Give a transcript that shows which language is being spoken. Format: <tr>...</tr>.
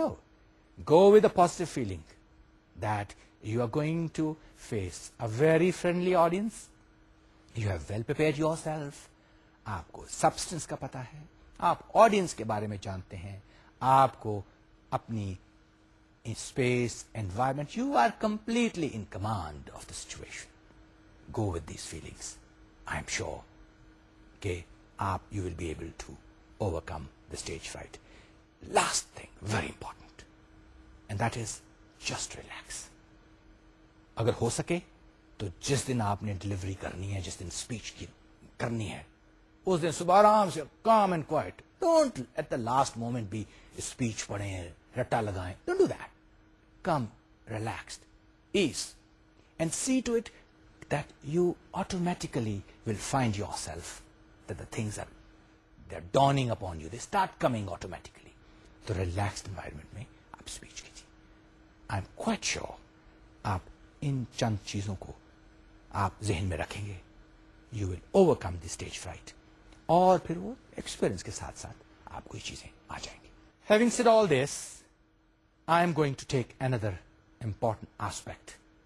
<en>no, go with a positive feeling that you are going to face a very friendly audience, you have well prepared your self,</en> <ur>آپ کو substance کا پتا ہے, آپ audience کے بارے میں جانتے ہیں, آپ کو اپنی</ur> <en>space, environment, you are completely in command of the situation. Go with these feelings. I am sure you will be able to overcome the stage fright. Last thing, very important, and that is just relax.</en> <ur>اگر ہو سکے تو جس دن آپ نے delivery کرنی ہے, جس دن speech کی کرنی ہے, اس دن صبح آرام سے</ur> <en>calm and quiet. Don't at the last moment be speech</en> <ur>پڑھیں, رٹا لگائیں.</ur> <en>Don't do that. Come relaxed, ease, and see to it that you automatically will find yourself that the things are they're dawning upon you. They start coming automatically.</en> <ur>تو relaxed environment میں آپ speech کیجیے.</ur> <en>I'm quite sure</en> <ur>آپ ان چند چیزوں کو آپ ذہن میں رکھیں گے,</ur> <en>you will overcome the stage fright,</en> <ur>اور پھر وہ ایکسپیرئنس کے ساتھ ساتھ آپ کو یہ چیزیں آ جائیں گی.</ur> <en>Having said all this, I am going to take another important aspect.</en>